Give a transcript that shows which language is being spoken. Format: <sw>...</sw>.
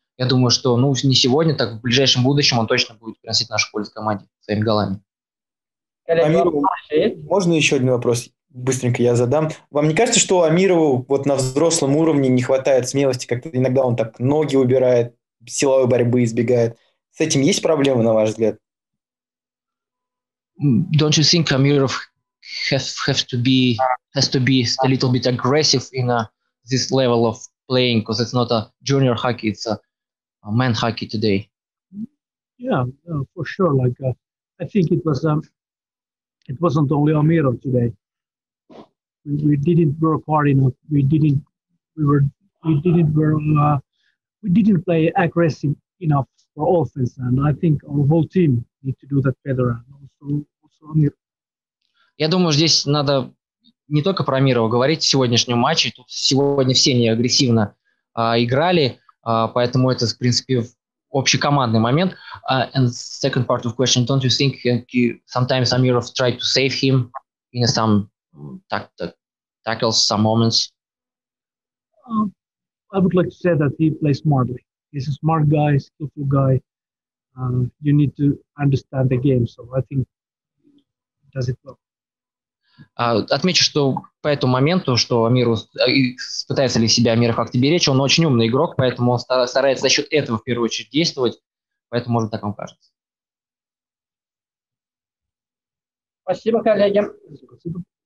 <ru>Я думаю, что не сегодня, так в ближайшем будущем он точно будет приносить нашу пользу команде своими голами. Амирову, можно еще один вопрос? Быстренько я задам. Вам не кажется, что Амирову вот на взрослом уровне не хватает смелости? Как-то иногда он так ноги убирает, силовой борьбы избегает. С этим есть проблемы, на ваш взгляд?</ru> <en>Don't you think Amirov has to be a little bit aggressive in this level of playing? Because it's not a junior hockey, it's a man hockey today. Yeah, for sure. Like I think it wasn't only Amirov today. We didn't work hard enough. We didn't play aggressive enough for offense, and I think our whole team need to do that better. Also Amir.</en> <ru>Я думаю, здесь надо не только про Амирова говорить в сегодняшнем матче. Тут сегодня все не агрессивно играли, поэтому это, в принципе, общекомандный момент.</ru> <en>And second part of question, don't you think sometimes Amirov tried to save him in some tackles, some moments? I would like to say that he plays smartly. He's a smart guy, skillful guy. You need to understand the game, so I think does it well.</en> <ru>Отмечу, что по этому моменту, что Амиру пытается ли себя Амиров как-то беречь, он очень умный игрок, поэтому он старается за счет этого в первую очередь действовать, поэтому может так вам кажется. Спасибо, коллеги. Спасибо.</ru>